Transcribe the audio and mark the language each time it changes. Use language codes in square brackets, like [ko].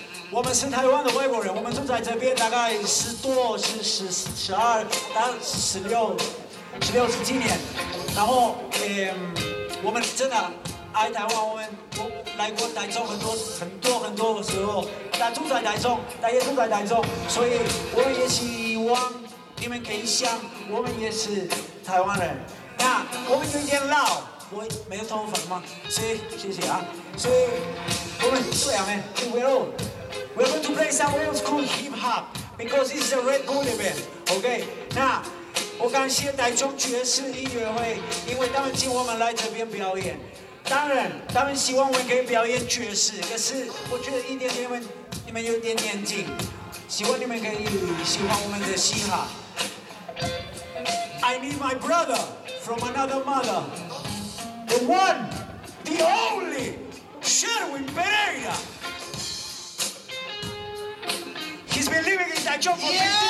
[zh] 我们是台湾的外国人，我们住在这边大概十六、十七年，然后我们真的爱台湾，我来过台中很多时候，但住在台中，但也住在台中，所以我也希望你们可以想，我们也是台湾人。那我们有点老，我没有头发吗？谢谢啊，所以我们这样呢，就为了。 [en] We're going to play some old school hip hop because this is a red bull event. [zh] Okay, 那我感谢台中爵士音乐会，因为他们请我们来这边表演。当然，他们希望我可以表演爵士，可是我觉得一点点你们有点年纪，希望你们可以喜欢我们的嘻哈。 [en] I need my brother from another mother, the one, the only, Sherwyne Pereira. He's been living in that job for 15 years.